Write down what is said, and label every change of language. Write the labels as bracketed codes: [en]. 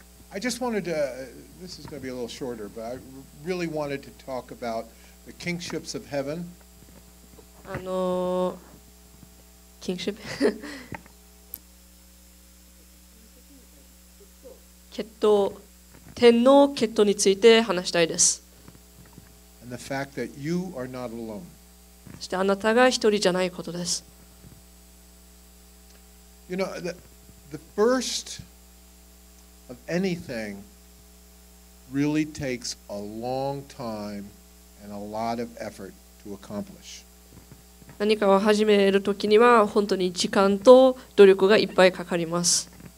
[en] I just wanted to, this is going to be a little shorter, but I really wanted to talk about the kingships of heaven. Kingship? [ja] Ketto, 天の血統について話したいです。 [en] And the fact that you are not alone. [ja] そしてあなたが一人じゃないことです。 [en] You know, the first of anything really takes a long time and a lot of effort to accomplish. [ja] 何かを始めるときには本当に時間と努力がいっぱいかかります。